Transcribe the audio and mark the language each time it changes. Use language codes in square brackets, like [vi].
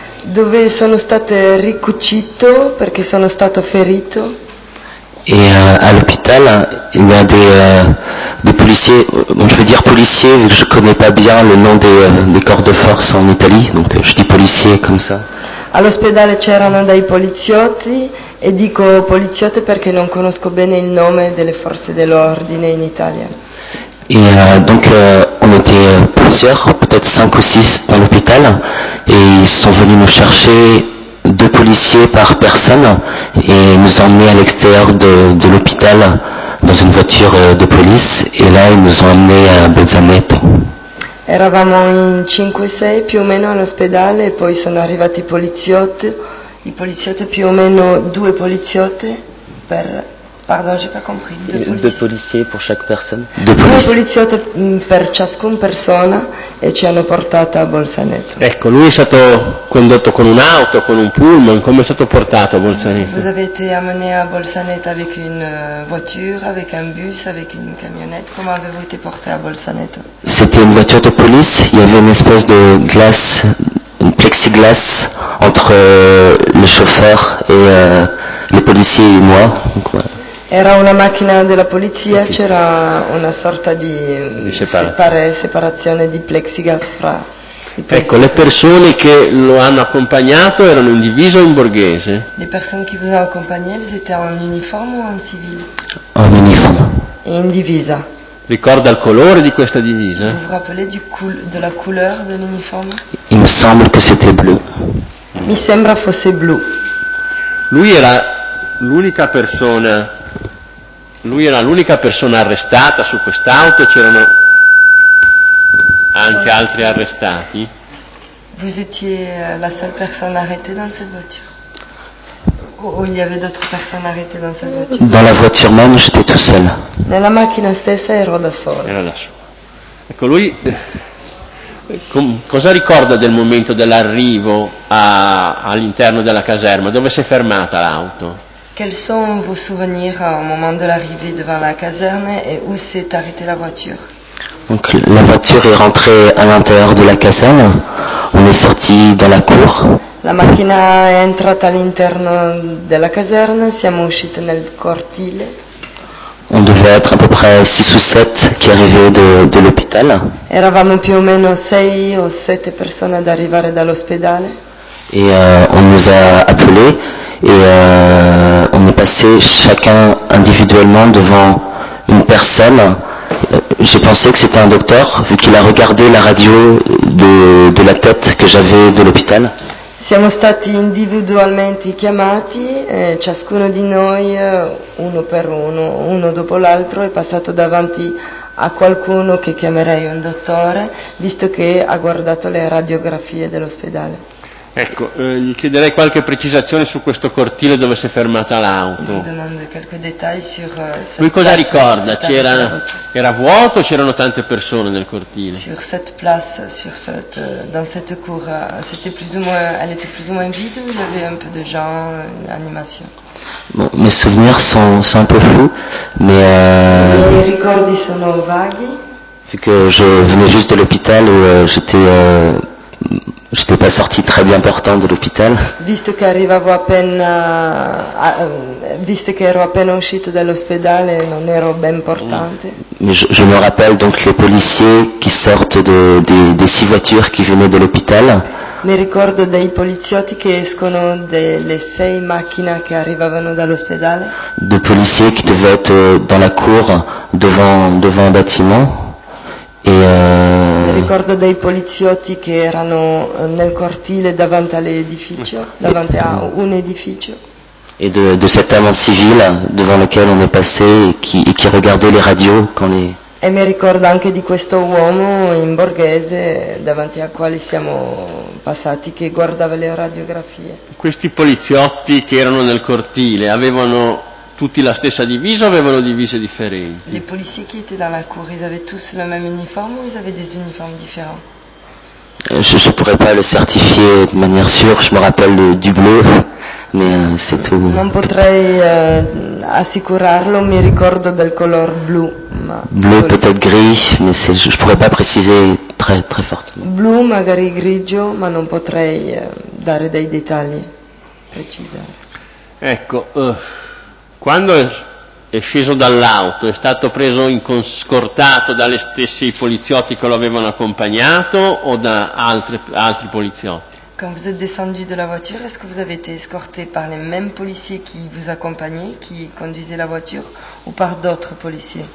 [it] Dove sono stato ricucito perché sono stato ferito. [fr] Et à l'hôpital, il y a des policiers, bon, je veux dire policiers, je connais pas bien le nom des corps de force en Italie, donc je dis policiers comme ça. [it] All'ospedale c'erano dei poliziotti e dico poliziotte perché non conosco bene il nome delle forze dell'ordine in Italia. [fr] Et donc on était plusieurs, peut-être 5 ou 6 dans l'hôpital, et ils sont venus nous chercher, 2 policiers par personne, et nous emmener à l'extérieur de l'hôpital. Dans une voiture de police et là ils nous ont amenés à Bolzaneto. [it] Eravamo in 5-6 più o meno all'ospedale e poi sono arrivati i poliziotti più o meno 2 poliziotti per [fr] Pardon, j'ai pas compris. Deux policiers pour chaque personne. Deux policiers [it] per ciascun persona e ci hanno portato a Bolzaneto. Ecco, lui è stato condotto con un'auto, con un pullman. Come è stato portato a Bolzaneto? [fr] Vous avez été amené à Bolzaneto avec une voiture, avec un bus, avec une camionnette. Comment avez-vous été porté à Bolzaneto? C'était une voiture de police. Il y avait une espèce de glace, une plexiglas entre le chauffeur et le policier et moi. Donc, ouais. [it] Era una macchina della polizia, okay. C'era una sorta di separazione di plexiglas fra ecco, le persone che lo hanno accompagnato erano in divisa o in borghese? Le persone che [fr] vous ont accompagné, elles étaient en uniforme ou en civil? En uniforme. [it] E in divisa. Ricorda il colore di questa divisa? [fr] Vous vous rappelez [it] della [fr] couleur de l'uniforme? Il me semble que c'était bleu. [it] Mi sembra fosse blu. Lui era l'unica persona. Lui era l'unica persona arrestata su quest'auto, c'erano anche altri arrestati. [fr] Vous étiez la seule personne arrêtée dans cette voiture? [it] O [fr] il y avait d'autres personnes arrêtées dans cette voiture? Dans la voiture même, j'étais tout seul. [it] Nella macchina stessa ero da solo. Era da solo. Ecco, lui cosa ricorda del momento dell'arrivo all'interno della caserma? Dove si è fermata l'auto? [fr] Quels sont vos souvenirs au moment de l'arrivée devant la caserne et où s'est arrêtée la voiture? Donc la voiture est rentrée à l'intérieur de la caserne. On est sorti dans la cour. [it] La macchina è entrata all'interno della caserne, siamo usciti nel cortile. [fr] On devait être à peu près 6 ou 7 qui arrivaient de l'hôpital. [it] Eravamo più o meno 6 o 7 persone ad arrivare dall'ospedale. [fr] Et on nous a appelés. Et on est passé chacun individuellement devant une personne. J'ai pensé que c'était un docteur vu qu'il a regardé la radio de la tête que j'avais de l'hôpital. [it] Siamo stati individualmente chiamati, ciascuno di noi, uno per uno, uno dopo l'altro, è passato davanti a qualcuno che chiamerei un dottore, visto che ha guardato le radiografie dell'ospedale. Ecco, gli chiederei qualche precisazione su questo cortile dove si è fermata l'auto. Mi domando qualche dettaglio su questa. Lui cosa ricorda? Era vuoto o c'erano tante persone nel cortile? [fr] Sur cette place, dans cette cour, c'était plus ou moins, elle était plus ou moins vide, il y avait un peu de gens, animation. Bon, mes souvenirs sont un peu flous, mais [it] i ricordi sono vaghi. [fr] Vu que je venais juste de l'hôpital où j'étais pas sorti très bien portant de l'hôpital. [it] Visto che arrivavo appena, visto che ero appena uscito dall'ospedale, non ero ben portante. [fr] Mais je me rappelle donc les policiers qui sortent des 6 voitures qui venaient de l'hôpital. [it] Mi ricordo dei poliziotti che escono delle 6 macchine che arrivavano dall'ospedale. [fr] De policiers qui devaient être dans la cour devant un bâtiment. Et [it] ricordo dei poliziotti che erano nel cortile davanti all'edificio, davanti a un edificio. E [fr] de cet homme civil devant lequel on est passé qui regardait les radios quand les. [it] E mi ricordo anche di questo uomo in borghese davanti a quale siamo passati che guardava le radiografie. Questi poliziotti che erano nel cortile avevano tutti la stessa divisa o avevano divise differenti? [fr] Les policiers qui étaient dans la cour, ils avaient tous le même uniforme ou ils avaient des uniformes différents? Je pourrais pas le certifier de manière sûre, je me rappelle du bleu, mais c'est tout. [it] Non potrei assicurarlo, mi ricordo del color blu. Ma [fr] bleu, peut-être gris, mais je pourrais pas préciser très, très fortement. [it] Blu, magari grigio, ma non potrei dare dei dettagli precisi. Ecco, quando è sceso dall'auto, è stato preso in scortato dalle stesse poliziotti che lo avevano accompagnato o da altri poliziotti? [fr] Quand vous êtes descendu de la voiture, est-ce que vous avez été escorté par les mêmes policiers qui vous accompagnaient, qui conduisaient la voiture, ou par d'autres policiers?